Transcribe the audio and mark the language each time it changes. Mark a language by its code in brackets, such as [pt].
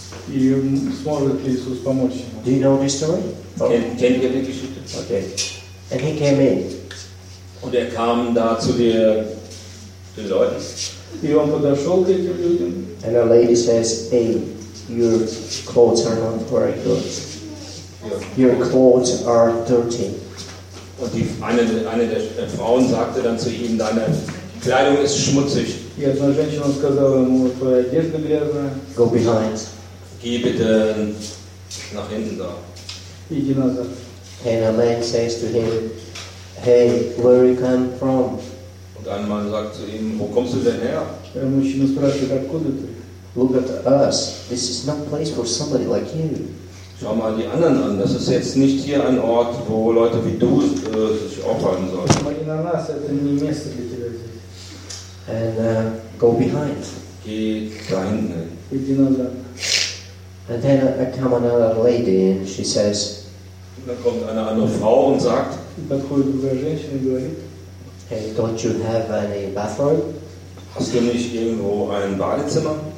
[ru] Jesus помочь. [en] Do you know this story? [de] Kennt ihr die Geschichte? [en] Okay. And he came in. [de] Und er kam da zu den Leuten. [en] And a lady says, hey, your clothes are not very good. Your clothes are dirty. [de] Und die eine der Frauen sagte dann zu ihm, deine Kleidung ist schmutzig. [ru] И одна женщина сказала ему, твоя одежда грязная. [en] Go behind. [de] Geh bitte nach hinten da. [ru] Иди назад. [en] And a man says to him, hey, where you come from? [de] Und ein Mann sagt zu ihm, wo kommst du denn her? [ru] И мужчина спрашивает, откуда ты? [en] Look at us. This is not place for somebody like you. [de] Schau mal die anderen an. Das ist jetzt nicht hier ein Ort, wo Leute wie du sich aufhalten sollen. Schau mal die anderen an. Das ist nicht ein Ort, wo Leute wie du [en] And go behind. And then come another lady and she says, hey, don't you have any bathroom? [de] Hast du nicht irgendwo ein Badezimmer?